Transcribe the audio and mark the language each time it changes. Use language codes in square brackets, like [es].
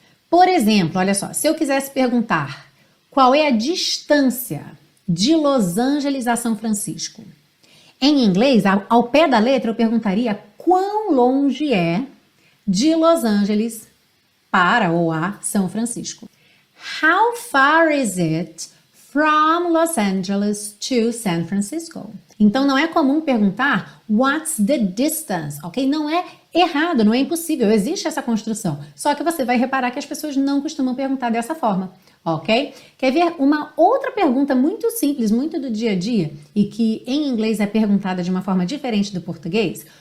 [pt] Por exemplo, olha só, se eu quisesse perguntar qual é a distância de Los Angeles a São Francisco? Em inglês, ao pé da letra, eu perguntaria quão longe é de Los Angeles para ou a São Francisco. [en] How far is it from Los Angeles to San Francisco? [pt] Então, não é comum perguntar [en] what's the distance, [pt] ok? Não é errado, não é impossível, existe essa construção. Só que você vai reparar que as pessoas não costumam perguntar dessa forma. Ok? Quer ver uma outra pergunta muito simples, muito do dia a dia, e que em inglês é perguntada de uma forma diferente do português?